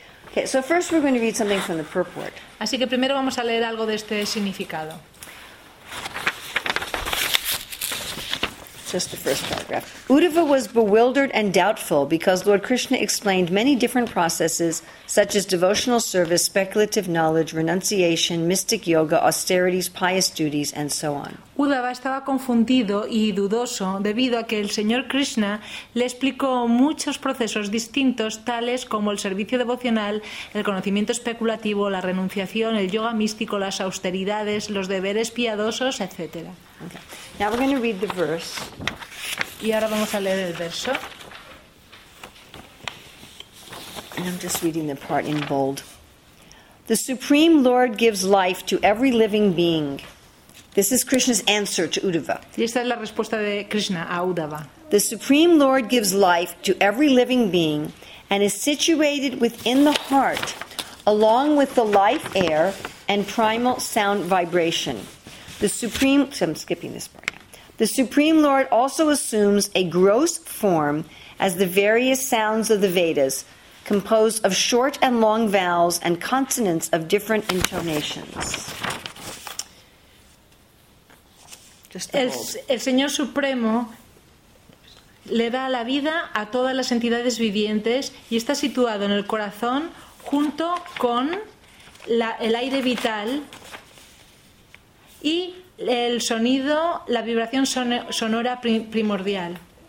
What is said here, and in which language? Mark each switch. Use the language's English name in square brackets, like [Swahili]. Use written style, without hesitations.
[English] Okay, so first we're going to read something from the purport. [Spanish] Así que primero vamos a leer algo de este significado. [English] Just the first paragraph. Uddhava was bewildered and doubtful because Lord Krishna explained many different processes such as devotional service, speculative knowledge, renunciation, mystic yoga, austerities, pious duties, and so on. [Spanish] Uddhava estaba confundido y dudoso debido a que el señor Krishna le explicó muchos procesos distintos tales como el servicio devocional, el conocimiento especulativo, la renunciación, el yoga místico, las austeridades, los deberes piadosos, etc. [English] Okay. Now we're going to read the verse. [Spanish] Y ahora vamos a leer el verso. [English] And I'm just reading the part in bold. The Supreme Lord gives life to every living being. This is Krishna's answer to Uddhava. [Spanish] Y esta es la respuesta de Krishna a Uddhava. [English] The Supreme Lord gives life to every living being and is situated within the heart along with the life air and primal sound vibration. The Supreme Lord also assumes a gross form as the various sounds of the Vedas, composed of short and long vowels and consonants of different intonations. [Spanish] El Señor Supremo le da la vida a todas las entidades vivientes y está situado en el corazón junto con el aire vital y el sonido, la vibración sonora primordial.